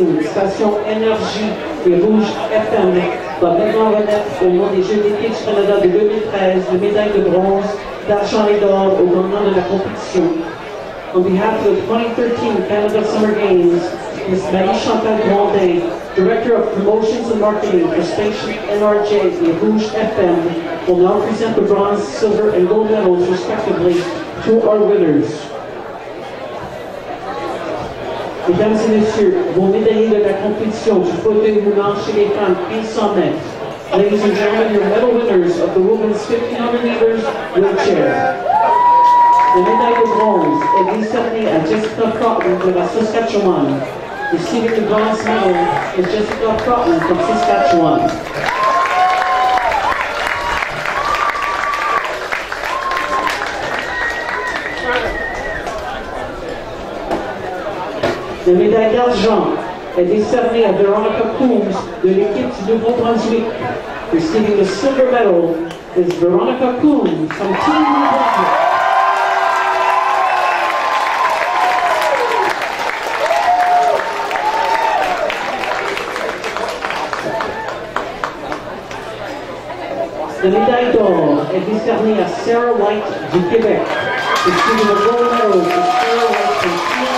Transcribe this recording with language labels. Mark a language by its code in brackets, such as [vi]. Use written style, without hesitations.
[fr] Station Énergie et Rouge FM va maintenant remettre au nom des Jeux d'été du Canada de 2013 la médaille de bronze, d'argent et d'or au lendemain de la compétition. [en] On behalf of the 2013 Canada Summer Games, Ms. Marie-Chantal Grandin, Director of Promotions and Marketing for Station NRJ et Rouge FM, will now present the bronze, silver and gold medals respectively to our winners. [fr] Mesdames et Messieurs, vos médaillés de la compétition du fauteuil roulant chez les femmes 500 mètres. [en] Ladies and gentlemen, your medal winners of the women's 1500 meters wheelchair. [fr] La médaille de bronze est décernée à Jessica Crotton de la Saskatchewan. [en] Receiving the bronze medal is Jessica Crotton from Saskatchewan. [fr] La médaille d'argent est décernée à Veronica Coombs de l'équipe du Nouveau-Brunswick. [en] Receiving the silver medal is Veronica Coombs from Team Nouveau-Brunswick. [fr] La médaille d'or est décernée à Sarah White du Québec. [en] Receiving the gold medal is Sarah White from Team Québec.